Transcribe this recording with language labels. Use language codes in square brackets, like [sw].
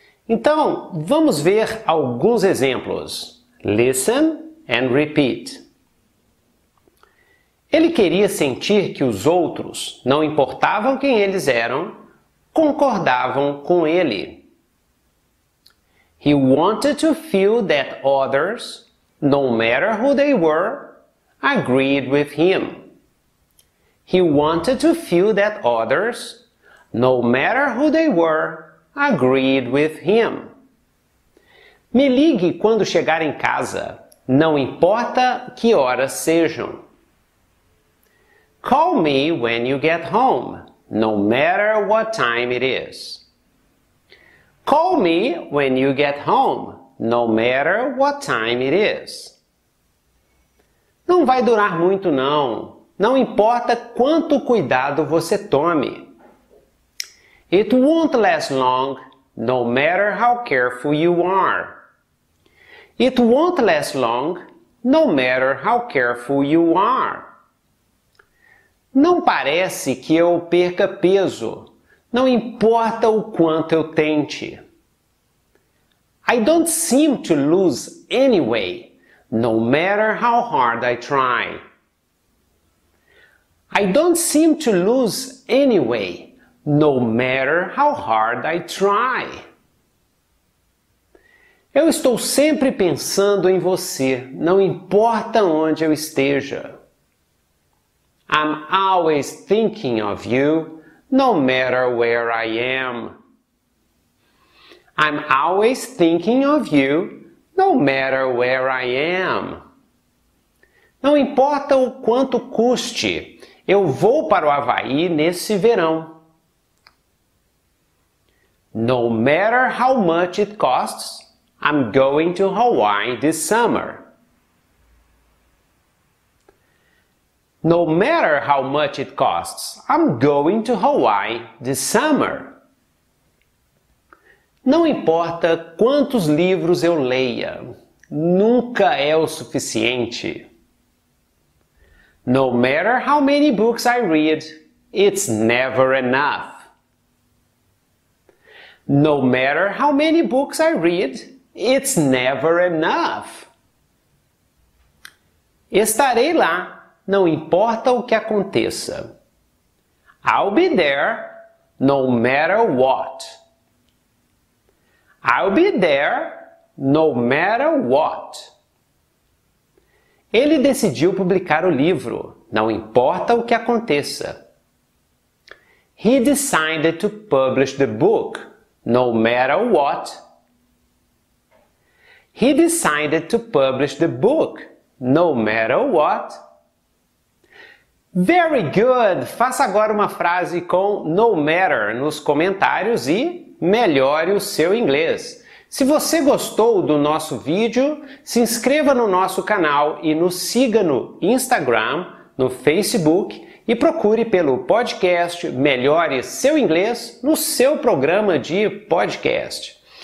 [pt] Então, vamos ver alguns exemplos. [en] Listen and repeat. [pt] Ele queria sentir que os outros, não importavam quem eles eram, concordavam com ele. [en] He wanted to feel that others, no matter who they were, agreed with him. He wanted to feel that others, no matter who they were, agreed with him. [pt] Me ligue quando chegar em casa, não importa que horas sejam. [en] Call me when you get home, no matter what time it is. Call me when you get home, no matter what time it is. [pt] Não vai durar muito não, não importa quanto cuidado você tome. [en] It won't last long, no matter how careful you are. It won't last long, no matter how careful you are. [pt] Não parece que eu perca peso, não importa o quanto eu tente. [en] I don't seem to lose any weight, no matter how hard I try. I don't seem to lose any weight, no matter how hard I try. [pt] Eu estou sempre pensando em você, não importa onde eu esteja. [en] I'm always thinking of you, no matter where I am. I'm always thinking of you, no matter where I am. [pt] Não importa o quanto custe, eu vou para o Havaí nesse verão. [en] No matter how much it costs, I'm going to Hawaii this summer. No matter how much it costs, I'm going to Hawaii this summer. [pt] Não importa quantos livros eu leia, nunca é o suficiente. [en] No matter how many books I read, it's never enough. No matter how many books I read, it's never enough. [pt] Estarei lá, não importa o que aconteça. [en] I'll be there, no matter what. I'll be there, no matter what. [pt] Ele decidiu publicar o livro, não importa o que aconteça. [en] He decided to publish the book, no matter what. He decided to publish the book, no matter what. Very good! [pt] Faça agora uma frase com no matter nos comentários e melhore o seu inglês. Se você gostou do nosso vídeo, se inscreva no nosso canal e nos siga no Instagram, no Facebook e procure pelo podcast Melhore Seu Inglês no seu programa de podcast.